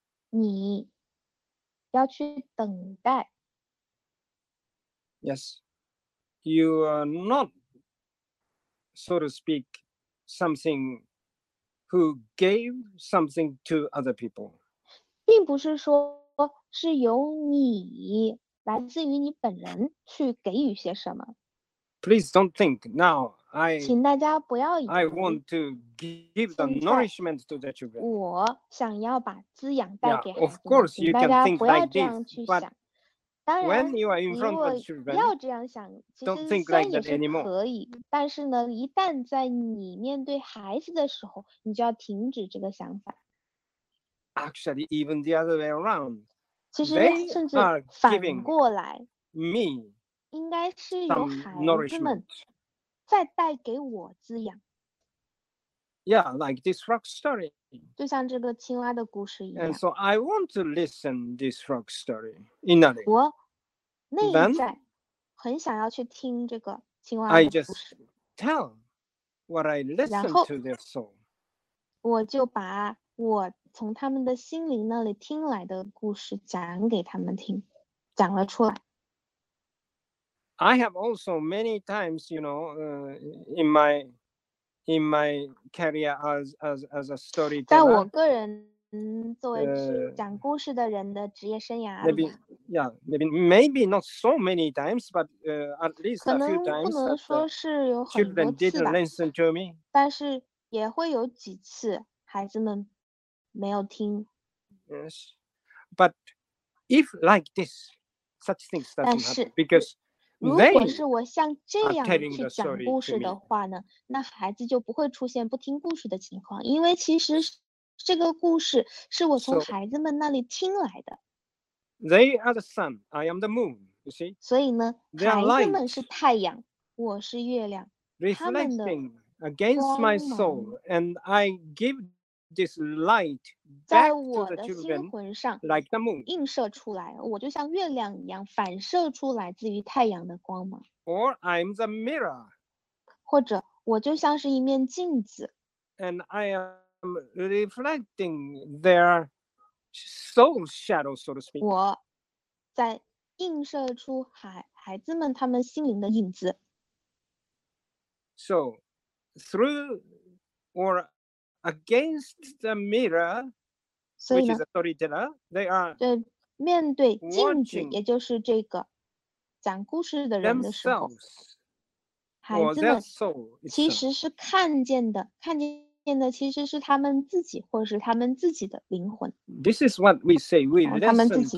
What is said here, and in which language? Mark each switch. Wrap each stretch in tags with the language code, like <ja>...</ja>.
<zh>你要去等待</zh> <en>Yes. You are not, so to speak, something who gave something to other people.</en> <zh>并不是说是由你来自于你本人去给予些什么。</zh> <en>Please don't think now. I</en> <zh>请大家不要以为</zh> <en>I want to give the nourishment to the children.</en> <zh>我想要把滋养带给孩子。</zh> <en>Yeah, of course, you can think like this, but. When you are in front of children,</en> <zh>要这样想，</zh> <en>don't think like that anymore.</en> <zh>可以，但是呢，一旦在你面对孩子的时候，你就要停止这个想法。</zh> <en>Actually, even the other way around,</en> <zh>其实甚至反过来</zh> <en>me</en> <zh>应该是由孩子们再带给我滋养。</zh> <en>Yeah, like this frog story.</en> <zh>就像这个青蛙的故事一样。</zh> <en>And so I want to listen this frog story in a way.</en> <zh>我内在很想要去听这个青蛙的故事。</zh> <en>I just tell what I listen to their soul.</en> <zh>我就把我从他们的心灵那里听来的故事讲给他们听，讲了出来。</zh> <en>I have also many times, you know, in my career as a storyteller,</en> <zh>在我个人作为讲故事的人的职业生涯里</zh> <en>maybe not so many times, but at least a few times.</en> <zh>可能不能说是有很多次吧。</zh> <en>Children didn't listen to me.</en> <zh>但是也会有几次孩子们没有听。</zh> <en>Yes, but if like this, such things doesn't happen because.</en> <zh>如果是我像这样去讲故事的话呢，那孩子就不会出现不听故事的情况，因为其实这个故事是我从孩子们那里听来的。</zh> <en>So, they are the sun, I am the moon, you see?</en> <zh>所以呢，</zh> <en>they are light,</en> <zh>孩子们是太阳，我是月亮。</zh> <en>Reflecting against my soul, and I give this light back to the children,</en> <zh>在我的心魂上</zh> <en>like the moon,</en> <zh>映射出来，我就像月亮一样反射出来自于太阳的光芒。</zh> <en>Or I'm the mirror,</en> <zh>或者我就像是一面镜子。</zh> <en>And I reflecting their soul shadow, so to speak.</en> <zh>我在映射出孩子们他们心灵的影子。</zh> <en>So, through or against the mirror, which is a storyteller, they are</en> <zh>对面对镜子，也就是这个讲故事的人的时候。孩子们其实是看见的，看见的其实是他们自己，或者是他们自己的灵魂。</zh> <en>This is what we say. We listen to</en>